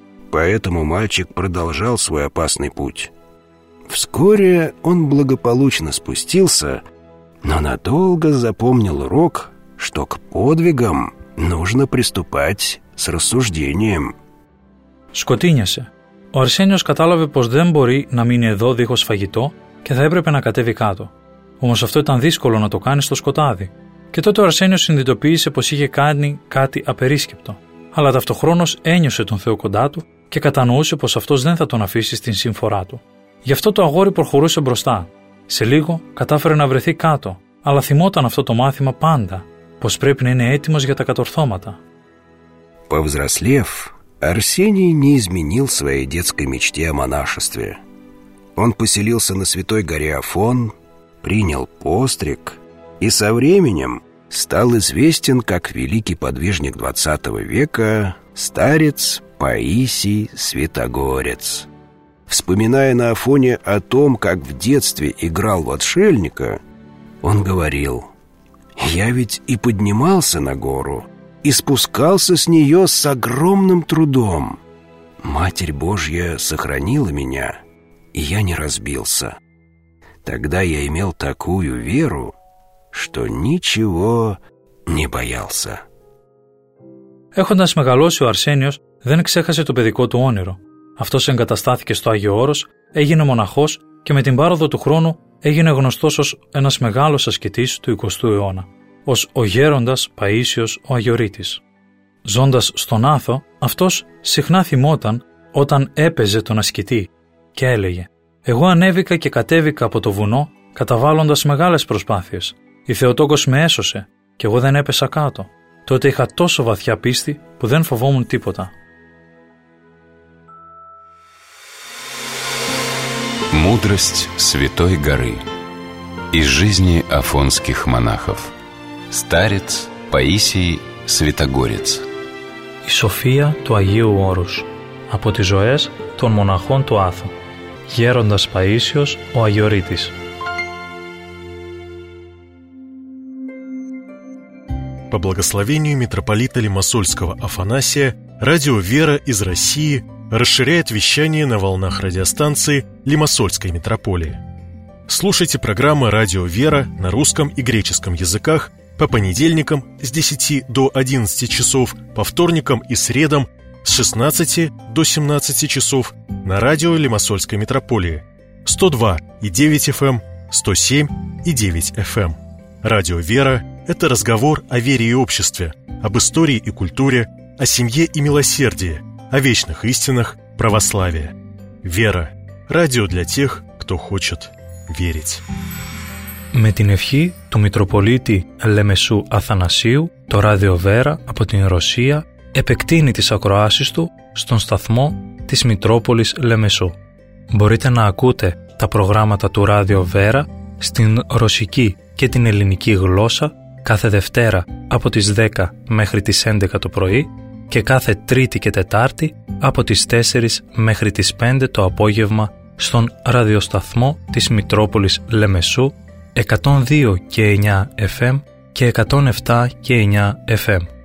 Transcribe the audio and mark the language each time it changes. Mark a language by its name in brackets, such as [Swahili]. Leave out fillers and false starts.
[Russian] Поэтому мальчик продолжал свой опасный путь. Вскоре он благополучно спустился, но надолго запомнил урок, что к подвигам нужно приступать с рассуждением. [Greek] Σκοτίνιασε. Ο Αρσένιος κατάλαβε πως δεν μπορεί να μείνει εδώ δίχως φαγητό και θα έπρεπε να κατέβει κάτω. Όμως αυτό ήταν δύσκολο να το κάνει στο σκοτάδι. Και τότε ο Αρσένιος συνειδητοποίησε πως είχε κάνει κάτι απερίσκεπτο. Αλλά ταυτοχρόνως ένιωσε τον Θεό κοντά του και κατανοούσε πως αυτός δεν θα τον αφήσει στην συμφορά του. Γι' αυτό το αγόρι προχωρούσε μπροστά. Σε λίγο κατάφερε να βρεθεί κάτω, αλλά θυμόταν αυτό το μάθημα πάντα, πως πρέπει να είναι έτοιμος για τα κατορθώματα. [Russian] Повзрослев, Арсений не изменил своей детской мечте о монашестве. Он поселился на святой горе Афон, принял постриг и со временем стал известен как великий подвижник 20 века, старец Паисий Святогорец. Вспоминая на Афоне о том, как в детстве играл в отшельника, он говорил: «Я ведь и поднимался на гору, и спускался с нее с огромным трудом. Матерь Божья сохранила меня, и я не разбился. Тогда я имел такую веру, что ничего не боялся». [Greek] Έχοντας μεγαλώσει, ο Αρσένιος δεν ξέχασε το παιδικό του όνειρο. Αυτός εγκαταστάθηκε στο Άγιο Όρος, έγινε μοναχός και με την πάροδο του χρόνου έγινε γνωστός ως ένας μεγάλος ασκητής του 20ου αιώνα, ως ο γέροντας Παΐσιος ο Αγιορείτης. Ζώντας στον Άθο, αυτός συχνά θυμόταν όταν έπαιζε τον ασκητή και έλεγε: «Εγώ ανέβηκα και κατέβηκα από το βουνό καταβάλλοντας μεγάλες προσπάθειες. Η Θεοτόκος με έσωσε και εγώ δεν έπεσα κάτω. Τότε είχα τόσο βαθιά πίστη που δεν φοβόμουν τίποτα». [Russian] Мудрость Святой Горы из жизни афонских монахов. Старец Паисий Святогорец. [Greek] Η Σοφία του Αγίου Όρους από τις ζωές των μοναχών του Άθου. Γέροντας Παΐσιος ο Αγιορείτης. [Russian] По благословению митрополита Лимассольского Афанасия, радио «Вера» из России расширяет вещание на волнах радиостанции Лимассольской митрополии. Слушайте программы «Радио Вера» на русском и греческом языках по понедельникам с 10 до 11 часов, по вторникам и средам с 16 до 17 часов на радио Лимассольской митрополии 102,9 FM, 107,9 FM. Радио «Вера» – это разговор о вере и обществе, об истории и культуре, о семье и милосердии, о вечных истинах православия. Вера. Радио для тех, кто хочет верить. [Greek] Με την ευχή του Μητροπολίτη Λεμεσού Αθανασίου, το Ράδιο Βέρα από την Ρωσία επεκτείνει τις ακροάσεις του στον σταθμό της Μητρόπολης Λεμεσού. Μπορείτε να ακούτε τα προγράμματα του Ράδιο Βέρα στην ρωσική και την ελληνική γλώσσα κάθε Δευτέρα από τις 10 μέχρι τις 11 το πρωί και κάθε Τρίτη και Τετάρτη από τις 4 μέχρι τις 5 το απόγευμα στον ραδιοσταθμό της Μητρόπολης Λεμεσού 102 και 9 FM και 107 και 9 FM.